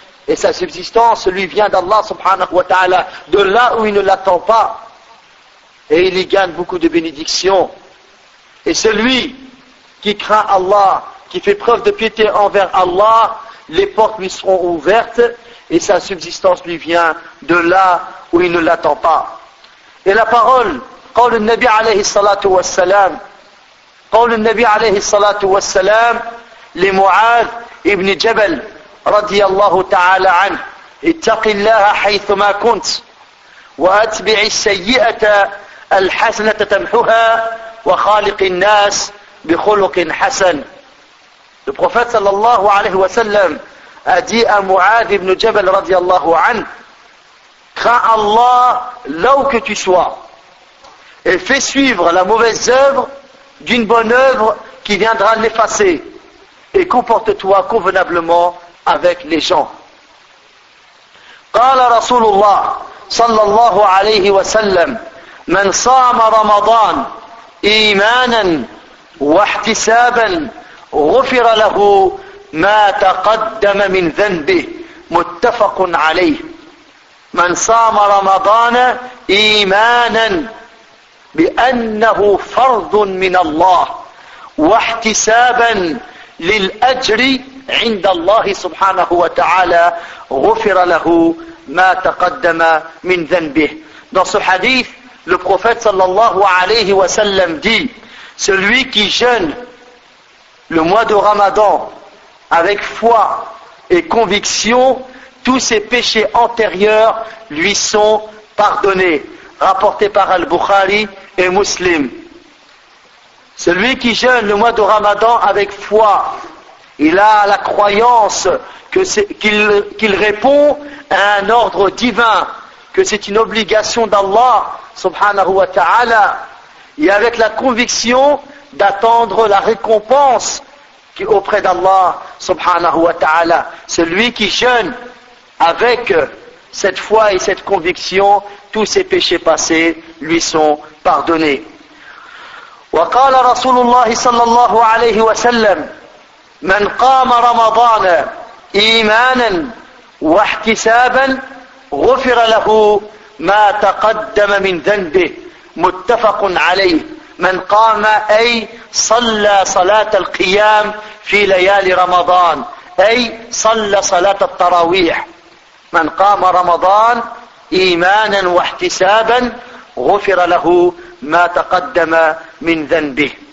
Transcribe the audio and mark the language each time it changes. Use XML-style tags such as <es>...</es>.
<fr>Et sa subsistance lui vient d'Allah subhanahu wa ta'ala, de là où il ne l'attend pas. Et il y gagne beaucoup de bénédictions. Et celui qui craint Allah, qui fait preuve de piété envers Allah, les portes lui seront ouvertes et sa subsistance lui vient de là où il ne l'attend pas. Et la parole,</fr> <ar>قول النبي عليه الصلاة والسلام, قول النبي عليه الصلاة والسلام لمعاذ ابن جبل رضي الله تعالى عنه اتق الله حيثما كنت واتبع السيئة الحسنة تمحها وخالق الناس بخلق حسن.</ar> <fr>Le prophète sallallahu alayhi wa sallam a dit à Mu'adh ibn Jabal radiallahu anhu, crains Allah là où que tu sois et fais suivre la mauvaise œuvre d'une bonne œuvre qui viendra l'effacer et comporte-toi convenablement avec les gens.</fr> <ar>قال رسول الله صلى الله عليه وسلم من صام رمضان إيمانا واحتسابا غفر له ما تقدم من ذنبه متفق عليه من صام رمضان إيمانا بأنه فرض من الله واحتسابا للأجر عند الله سبحانه وتعالى غفر له ما تقدم من ذنبه.</ar> <fr>Dans ce hadith, le prophète sallallahu alayhi wa sallam dit, celui qui jeûne le mois de Ramadan avec foi et conviction, tous ses péchés antérieurs lui sont pardonnés. Rapporté par Al-Bukhari et Muslim. Celui qui jeûne le mois de Ramadan avec foi, il a la croyance qu'il répond à un ordre divin, que c'est une obligation d'Allah subhanahu wa ta'ala, et avec la conviction d'attendre la récompense auprès d'Allah subhanahu wa ta'ala. Celui qui jeûne avec cette foi et cette conviction, tous ses péchés passés lui sont pardonnés.</fr> <ar>Wa qala Rasulullah sallallahu alayhi wa sallam, من قام رمضان إيمانا واحتسابا غفر له ما تقدم من ذنبه متفق عليه من قام أي صلى صلاة القيام في ليالي رمضان أي صلى صلاة التراويح من قام رمضان إيمانا واحتسابا غفر له ما تقدم من ذنبه.</ar>